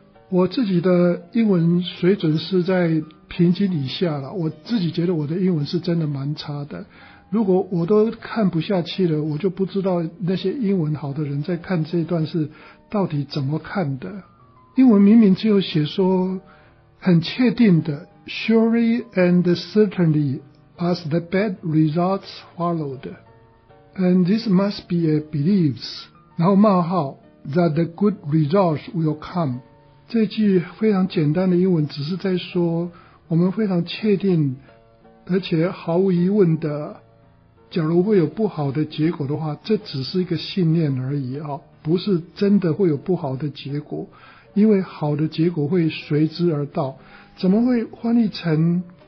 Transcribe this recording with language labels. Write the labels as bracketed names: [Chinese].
[Chinese] 我自己的英文水准是在平均以下了，我自己觉得我的英文是真的蛮差的，如果我都看不下去了，我就不知道那些英文好的人在看这段是到底怎么看的。英文明明只有写说很确定的 [English] surely and certainly as the bad results followed. And this must be a beliefs. [Chinese] 然后冒号 [English] that the good results will come. [Chinese] 这句非常简单的英文只是在说我们非常确定而且毫无疑问的假如会有不好的结果的话这只是一个信念而已啊，不是真的会有不好的结果因为好的结果会随之而到怎么会翻译成